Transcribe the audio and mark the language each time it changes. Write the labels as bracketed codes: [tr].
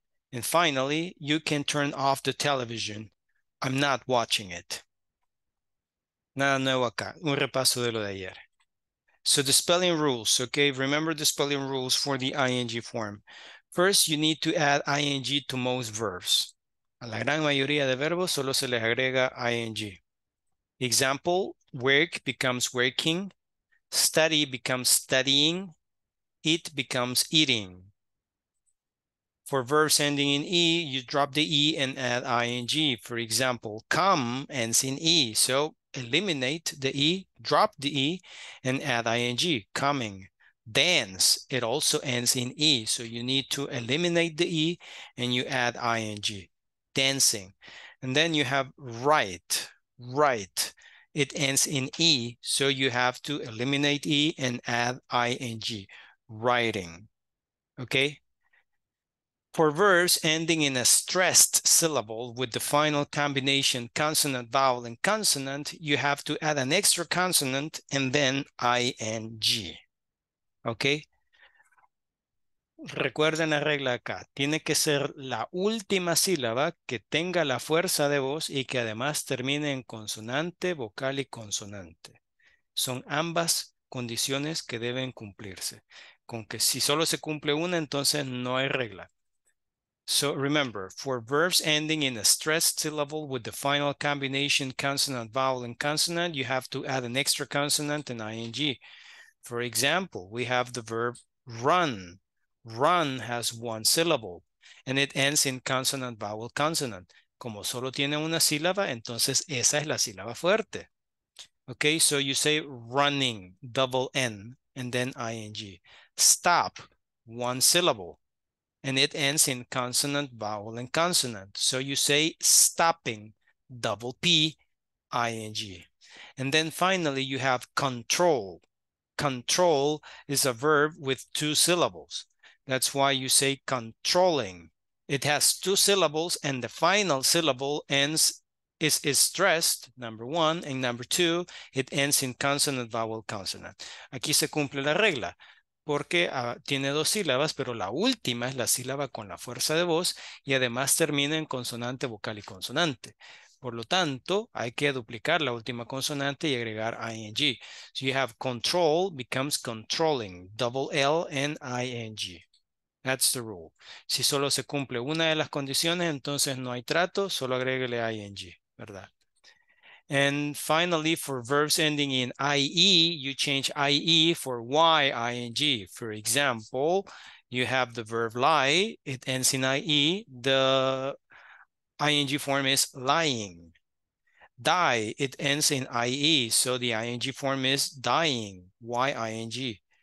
[en] And finally, you can turn off the television. I'm not watching it. [es] Nada nuevo acá. Un repaso de lo de ayer. [en] So the spelling rules, okay? Remember the spelling rules for the ing form. First, you need to add ing to most verbs. [es] A la gran mayoría de verbos solo se les agrega ing. [en] Example, work becomes working. Study becomes studying. Eat becomes eating. For verbs ending in E, you drop the E and add ing. For example, come ends in E. So eliminate the E, drop the E, and add ing, coming. Dance, it also ends in E. So you need to eliminate the E and you add ing, dancing. And then you have write. It ends in E. So you have to eliminate E and add ing, writing. Okay. For verbs ending in a stressed syllable with the final combination consonant, vowel, and consonant, you have to add an extra consonant and then ing. [es] Okay? Recuerden la regla acá. Tiene que ser la última sílaba que tenga la fuerza de voz y que además termine en consonante, vocal y consonante. Son ambas condiciones que deben cumplirse. Con que si solo se cumple una, entonces no hay regla. [en] So remember, for verbs ending in a stressed syllable with the final combination consonant, vowel, and consonant, you have to add an extra consonant and ing. For example, we have the verb run. Run has one syllable, and it ends in consonant, vowel, consonant. [es] Como solo tiene una sílaba, entonces esa es la sílaba fuerte. [en] Okay, so you say running, double N, and then ing. Stop, one syllable. And it ends in consonant, vowel, and consonant. So you say stopping, double P, ing. And then finally, you have control. Control is a verb with two syllables. That's why you say controlling. It has two syllables, and the final syllable ends is stressed, number one, and number two, it ends in consonant, vowel, consonant. [es] Aquí se cumple la regla. Porque tiene dos sílabas, pero la última es la sílaba con la fuerza de voz y además termina en consonante, vocal y consonante. Por lo tanto, hay que duplicar la última consonante y agregar ing. [en] So you have control becomes controlling, double L and ing. That's the rule. [es] Si solo se cumple una de las condiciones, entonces no hay trato, solo agréguele ing, ¿verdad? [en] And finally, for verbs ending in IE, you change IE for YING. For example, you have the verb lie, it ends in IE, the ING form is lying. Die, it ends in IE, so the ING form is dying, YING.